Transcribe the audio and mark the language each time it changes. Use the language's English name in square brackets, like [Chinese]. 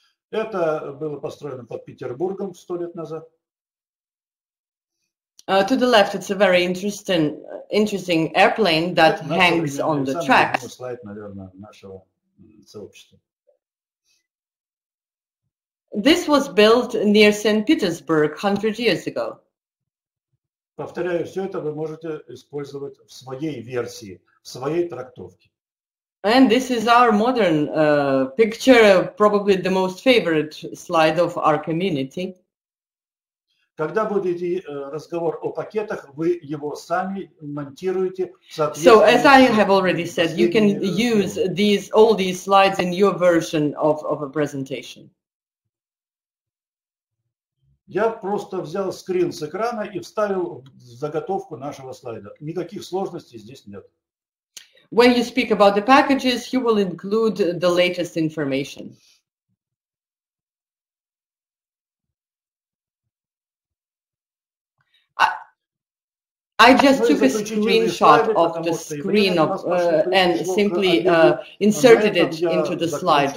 [Russian] Это было построено под Петербургом 100 лет назад. [English] To the left, it's a very interesting airplane that hangs on the track. [Russian] Это слайд, наверное, нашего сообщества. [English] This was built near St. Petersburg 100 years ago. [Russian] Повторяю, все это вы можете использовать в своей версии, в своей трактовке. [English] And this is our modern picture, probably the most favorite slide of our community. [Russian] Когда будет разговор о пакетах, вы его сами монтируете. [English] So as I have already said, you can use all these slides in your version of a presentation. [Russian] Я просто взял скрин с экрана и вставил в заготовку нашего слайда. Никаких сложностей здесь нет. [English] When you speak about the packages, you will include the latest information. I just took a screenshot of the screen of, and simply inserted it into the slide.